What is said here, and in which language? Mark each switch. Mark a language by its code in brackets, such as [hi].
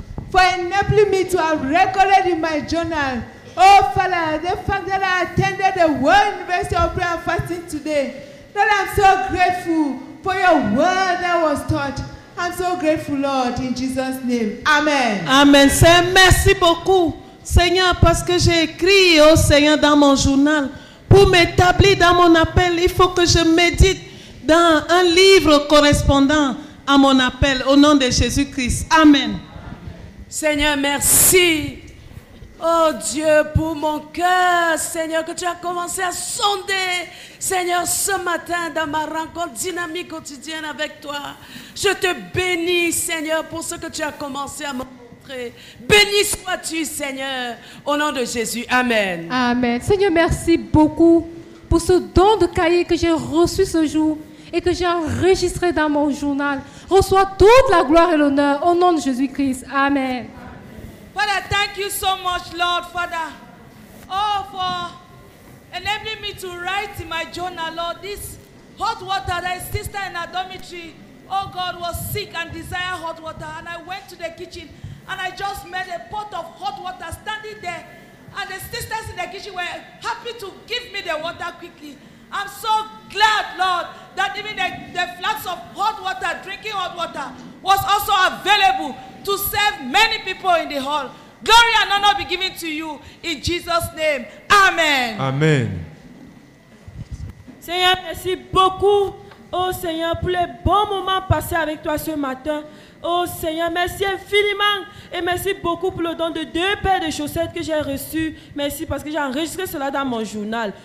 [en] For enabling me to have recorded in my journal, oh Father, the fact that I attended the World University of Prayer and Fasting today, that I'm so grateful for your word that was taught. I'm so grateful, Lord, in Jesus' name. Amen. Amen. [fr] Seigneur, merci beaucoup, Seigneur, parce que j'ai écrit, oh Seigneur, dans mon journal, pour m'établir dans mon appel, il faut que je médite dans un livre correspondant à mon appel, au nom de Jésus-Christ. Amen. Seigneur, merci. Oh Dieu, pour mon cœur, Seigneur, que tu as commencé à sonder, Seigneur, ce matin dans ma rencontre dynamique quotidienne avec toi. Je te bénis, Seigneur, pour ce que tu as commencé à me montrer. Béni sois-tu, Seigneur, au nom de Jésus. Amen. Amen. Seigneur, merci beaucoup pour ce don de cahier que j'ai reçu ce jour et que j'ai enregistré dans mon journal. Reçois toute la gloire et l'honneur au nom de Jésus-Christ. Amen. [en] Father, thank you so much, Lord, Father. Oh, for enabling me to write in my journal, Lord, this hot water that his sister in her dormitory, oh God, was sick and desired hot water. And I went to the kitchen and I just met a pot of hot water standing there. And the sisters in the kitchen were happy to give me the water quickly. I'm so glad, Lord, that even the flasks of hot water, drinking hot water, was also available to serve many people in the hall. Glory and honor be given to you in Jesus' name. Amen. Amen. [fr] Seigneur, merci beaucoup, oh Seigneur, pour les bons moments passés avec toi ce matin. Oh Seigneur, merci infiniment et merci beaucoup pour le don de deux paires de chaussettes que j'ai reçues. Merci parce que j'ai enregistré cela dans mon journal.